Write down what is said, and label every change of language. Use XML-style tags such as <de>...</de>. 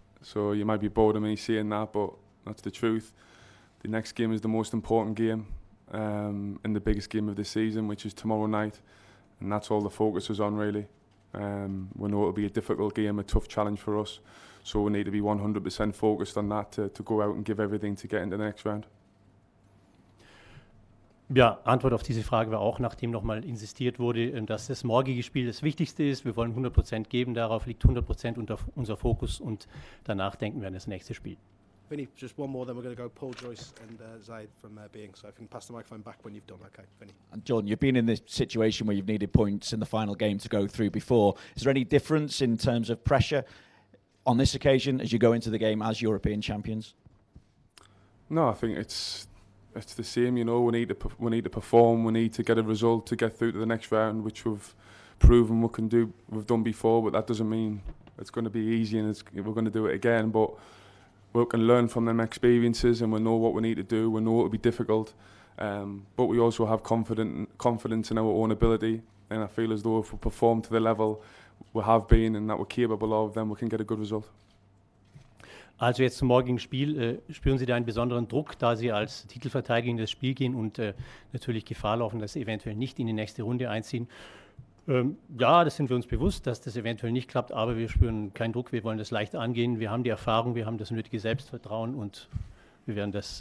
<en>So you might be bored of me saying that, but that's the truth. The next game is the most important game and the biggest game of the season, which is tomorrow night, and that's all the focus is on, really. We know it'll be a difficult game, a tough challenge for us, so we need to be 100% focused on that to go out and give everything to get into the next round.</en> <de>Ja, Antwort auf diese Frage war auch, nachdem nochmal insistiert wurde, dass das morgige Spiel das Wichtigste ist. Wir wollen 100% geben, darauf liegt 100% unser Fokus, und danach denken wir an das nächste Spiel.</de> <en>Vinny, just one more, then we're going to go Paul Joyce and Zaid from Being. So if you can pass the microphone back when you've done, okay, Vinny. And John, you've been in this situation where you've needed points in the final game to go through before. Is there any difference in terms of pressure on this occasion as you go into the game as European champions? No, I think it's the same. You know, we need to perform. We need to get a result to get through to the next round, which we've proven we can do. We've done before, but that doesn't mean it's going to be easy and we're going to do it again. But we can learn from them experiences, and we know what we need to do. We know it'll be difficult, but we also have confidence in our own ability. And I feel as though if we perform to the level we have been and that we're capable of, then we can get a good result.</en> <de>Also jetzt zum morgigen Spiel, spüren Sie da einen besonderen Druck, da Sie als Titelverteidiger in das Spiel gehen und natürlich Gefahr laufen, dass Sie eventuell nicht in die nächste Runde einziehen? Ja, das sind wir uns bewusst, dass das eventuell nicht klappt, aber wir spüren keinen Druck, wir wollen das leicht angehen, wir haben die Erfahrung, wir haben das nötige Selbstvertrauen, und wir werden das...</de>